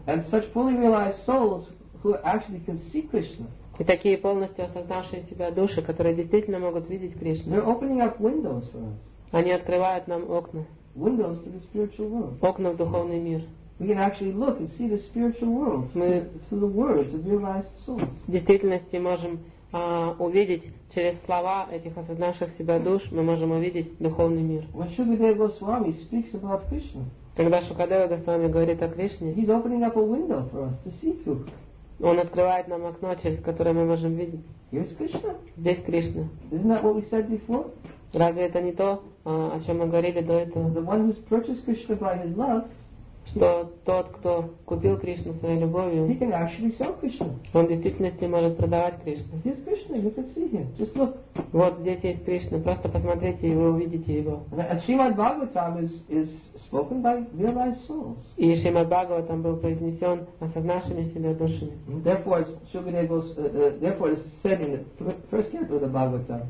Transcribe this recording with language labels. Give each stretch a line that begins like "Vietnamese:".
English: and such fully realized souls who actually can see Krishna,
Russian: и такие полностью осознавшие себя души, которые действительно могут видеть Кришну,
English: they're opening up windows for us.
Russian: Они открывают нам окна.
English: Windows to the spiritual world.
Russian: Окна в духовный мир.
English: We can actually look and see the spiritual world through the words of realized souls.
Russian: В действительности можем увидеть через слова этих осознавших себя душ, мы можем увидеть духовный мир.
English: When Shukadeva Goswami speaks about Krishna,
Russian: когда Шукадева Госвами говорит о Кришне,
English: he's opening up a window for us to see through.
Russian: Он открывает нам окно, через которое мы можем видеть.
English: Here's Krishna.
Russian: Здесь Кришна.
English: Isn't that what we said before?
Russian: Разве это не то, о чем мы говорили до этого?
English: The one who's purchased Krishna by his love.
Russian: Что тот, кто купил Кришну своей любовью,
English: he can actually sell Krishna.
Russian: Он в действительности может продавать Кришну.
English: Here's Krishna, you can see him. Just look.
Russian: Вот здесь есть Кришна, просто посмотрите и вы увидите его.
English: Srimad Bhagavatam is spoken by realized souls.
Russian: И Srimad Bhagavatam был произнесен осознавшими себя душами.
English: Therefore, it's said in the first canto of the Bhagavatam.